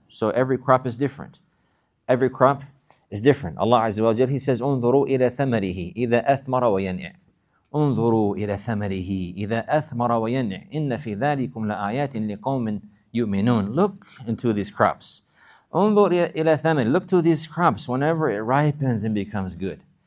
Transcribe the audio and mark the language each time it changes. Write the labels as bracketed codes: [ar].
[en] So every crop is different. Every crop is different. [ar] Allah Azza wa Jalla, [en] He says, [ar] انظروا إلى ثمره إذا أثمر وينع. انظروا إلى ثمره إذا أثمر وينع. إن في ذلكم لآيات لقوم يؤمنون. [en] Look into these crops. [ar] انظر إلى ثمره. [en] Look to these crops whenever it ripens and becomes good.